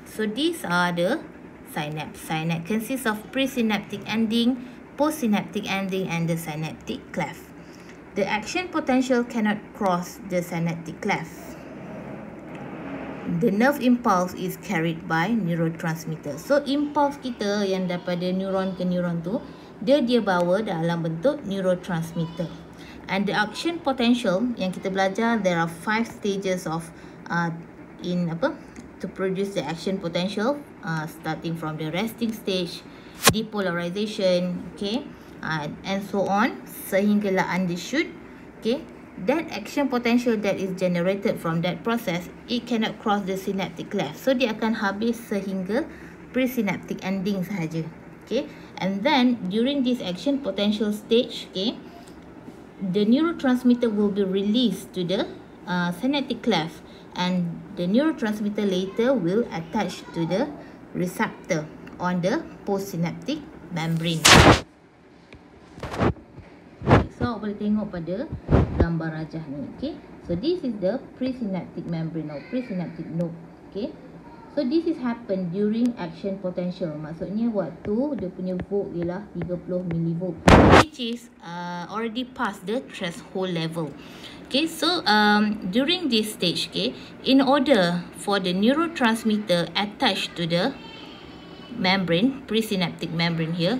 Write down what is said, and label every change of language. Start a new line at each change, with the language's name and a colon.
English: So these are the synapse. Synapse consists of presynaptic ending, postsynaptic ending, and the synaptic cleft. The action potential cannot cross the synaptic cleft. The nerve impulse is carried by neurotransmitter.
Malay: So impulse kita yang daripada neuron ke neuron tu, dia bawa dalam bentuk neurotransmitter.
English: And the action potential
Malay: yang kita belajar,
English: there are 5 stages of to produce the action potential, starting from the resting stage, depolarization, okay, and so on, sehinggalah undershoot. Okay, that action potential that is generated from that process, it cannot cross the synaptic cleft, so
Malay: dia akan habis sehingga presynaptic ending sahaja.
English: Okay, and then during this action potential stage, okay, the neurotransmitter will be released to the synaptic cleft, and the neurotransmitter later will attach to the receptor on the postsynaptic membrane.
Malay: So awak boleh tengok pada gambar rajah ni, okay?
English: So this is the presynaptic membrane or presynaptic node, okay? So this is happen during action potential.
Malay: Maksudnya waktu dia punya volt ialah 30 millivolt,
English: which is already past the threshold level. Okay, so during this stage, okay, in order for the neurotransmitter attached to the membrane, presynaptic membrane here.